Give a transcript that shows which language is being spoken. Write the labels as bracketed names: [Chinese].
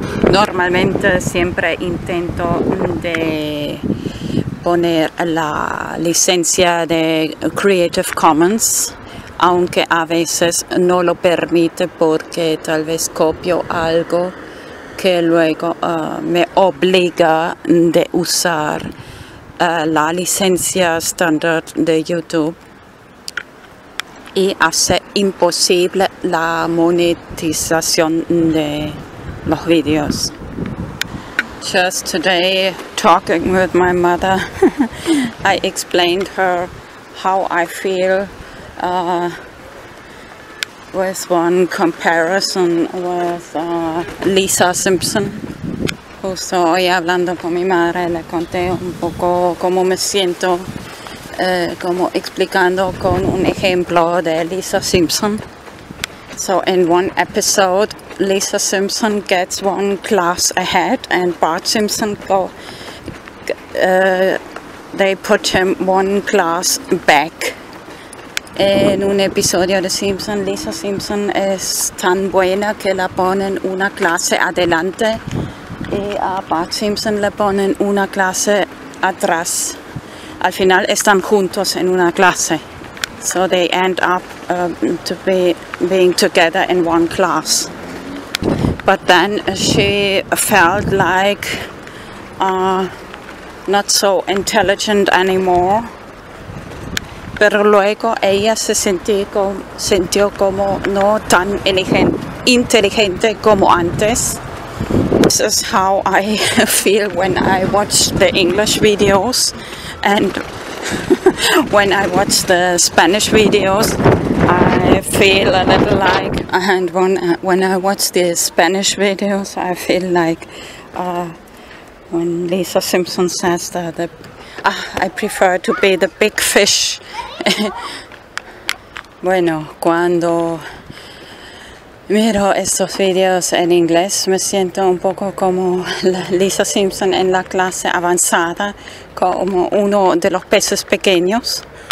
[Spanish] Normalmente siempre intento de poner la licencia de Creative Commons, aunque a veces no lo permite porque tal vez copio algo que luego me obliga de usar la licencia estándar de YouTube y hace imposible la monetización de los videos. [English] Just today, talking with my mother, I explained her how I feel with one comparison with Lisa Simpson, [Spanish] justo hoy hablando con mi madre le conté un poco cómo me siento, como explicando con un ejemplo de Lisa Simpson. [English] So in one episode, Lisa Simpson gets one class ahead and Bart Simpson they put him one class back. [Spanish] En un episodio de Simpson, Lisa Simpson es tan buena que la ponen una clase adelante y a Bart Simpson le ponen una clase atrás. Al final están juntos en una clase. [English] So they end up being together in one class. But then she felt like not so intelligent anymore. [Spanish] Pero luego ella se sintió como no tan inteligente como antes. [English] This is how I feel when I watch the English videos and when I watch the Spanish videos. I feel a little like, and when I watch the Spanish videos, I feel like when Lisa Simpson says that I prefer to be the big fish. [Spanish] Bueno, cuando miro estos videos en inglés, me siento un poco como Lisa Simpson en la clase avanzada, como uno de los peces pequeños.